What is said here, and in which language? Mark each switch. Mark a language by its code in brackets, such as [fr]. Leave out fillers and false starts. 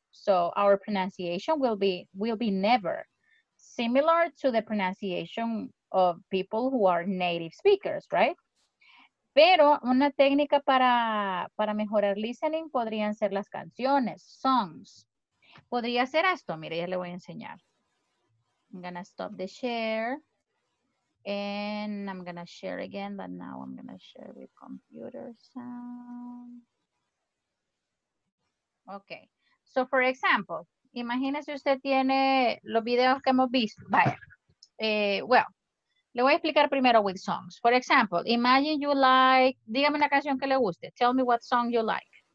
[en] So our pronunciation will be never similar to the pronunciation of people who are native speakers, right? [es] Pero una técnica para mejorar listening podrían ser las canciones, songs. Podría ser esto. Mire, ya le voy a enseñar. [en] I'm gonna stop the share. And I'm gonna share again, but now I'm gonna share with computer sound. Okay. So, for example, [es] imagínese usted tiene los videos que hemos visto. Vaya. Le voy a explicar primero [en] with songs. For example, imagine you like, [es] dígame una canción que le guste. [en] Tell me what song you like.